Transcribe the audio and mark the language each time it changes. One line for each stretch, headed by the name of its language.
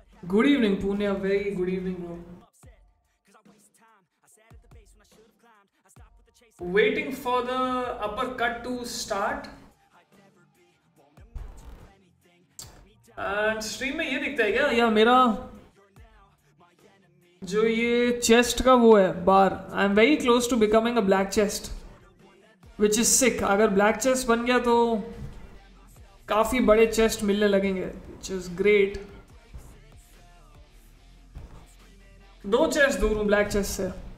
English: Good evening, Pune. A very good evening, bro. Waiting for the uppercut to start.
Hindi: And stream में ये दिखता है क्या? या मेरा जो ये chest का वो है bar.
English: I'm very close to becoming a black chest, which is sick.
Hindi: अगर black chest बन गया तो काफी बड़े chest मिलने लगेंगे,
English: which is great.
Hindi: दो चेस दूर हूँ ब्लैक चेस से,